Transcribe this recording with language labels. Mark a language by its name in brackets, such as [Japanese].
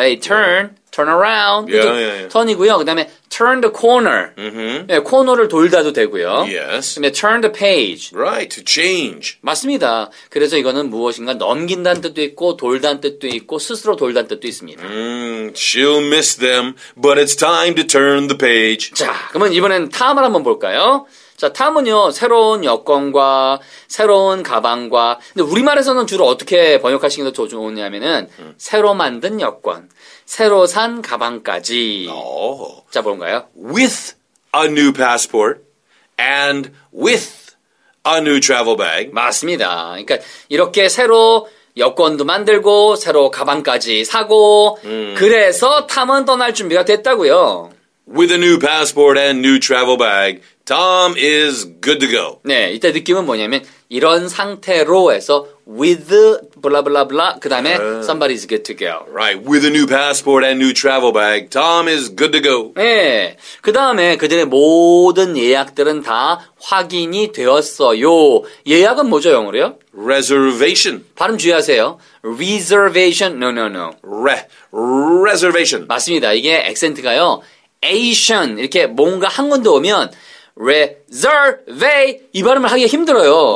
[English] Hey, turn, turn around. Yeah, yeah, yeah. [Korean] turn이고요. 그 다음에 [English] turn the corner. Mm-hmm. [Korean] 네, 코너를 돌다도 되고요. [English] Yes. [Korean] 그 다음에 [English] turn the page. Right, to change. [Korean] 맞습니다. 그래서 이거는 무엇인가 넘긴다는 뜻도 있고, 돌다는 뜻도 있고, 스스로 돌다는 뜻도 있습니다. [English] She'll miss them, but it's time to turn the page. [Korean] 자, 그러면 이번엔 탐을 한번 볼까요? 자, 탐은요, 새로운 여권과 새로운 가방과, 근데 우리말에서는 주로 어떻게 번역하시는 게 더 좋으냐면은, 새로 만든 여권, 새로 산 가방까지. [English] Oh. [Korean] 자, 뭔가요? [English] With a new passport and with a new travel bag. [Korean] 맞습니다. 그러니까 이렇게 새로 여권도 만들고, 새로 가방까지 사고, 그래서 탐은 떠날 준비가 됐다고요. [English] With a new passport and new travel bag, Tom is good to go. [Korean] 네, 이때 느낌은 뭐냐면 이런 상태로 해서 [English] with blah blah blah [Korean] 그다음에 [English] somebody's good to go. Right, with a new passport and new travel bag, Tom is good to go. [Korean] 네, 그다음에 그들의 모든 예약들은 다 확인이 되었어요. 예약은 뭐죠, 영어로요? [English] Reservation. [Korean] 발음 주의하세요. [English] Reservation, no, no, no. Reservation. [Korean] 맞습니다. 이게 액센트가요. Asian 이렇게 뭔가 한 군데 오면 reservation 이 발음을 하기가 힘들어요.